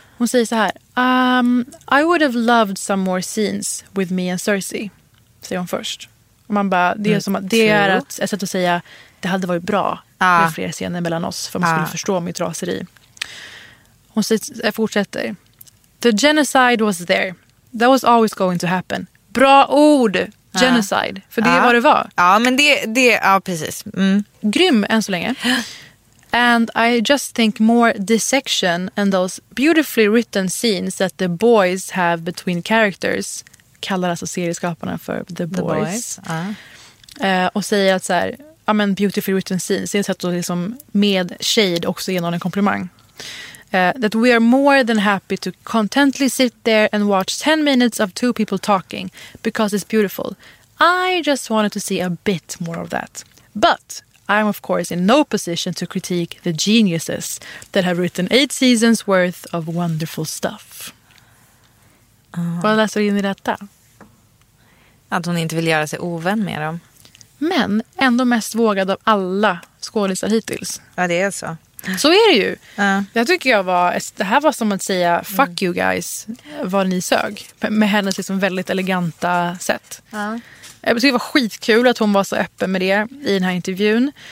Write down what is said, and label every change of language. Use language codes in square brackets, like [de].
[sv] Hon säger så här: [en] I would have loved some more scenes with me and Cersei, [sv] säger hon först. Och man bara, det är som att det är ett sätt att säga det hade varit bra med fler scener mellan oss för man skulle förstå mitt raseri. Hon fortsätter: [en] The genocide was there. That was always going to happen. [sv] Bra ord! Genocide. Ja. För det är ja. Vad det var. Ja, men det ja, precis. Mm. Grym än så länge. [en] And I just think more dissection and those beautifully written scenes that the boys have between characters, [sv] kallar alltså serieskaparna för [en] the boys. [sv] Och säger att så här, ja men [en] beautifully written scenes, [sv] det är ett sätt att liksom med shade också ge någon en komplimang. [en] That we are more than happy to contently sit there and watch 10 minutes of two people talking because it's beautiful. I just wanted to see a bit more of that. But I'm of course in no position to critique the geniuses that have written 8 seasons worth of wonderful stuff. [sv] Vad läser du in i detta? Att hon inte vill göra sig ovän med dem. Men ändå mest vågad av alla skådespelare hittills. Ja, det är så. Så är det ju. Jag tycker jag var, det här var som att säga [en] fuck you guys, [sv] vad ni sög. Med hennes liksom väldigt eleganta sätt. Jag tycker det var skitkul att hon var så öppen med det i den här intervjun.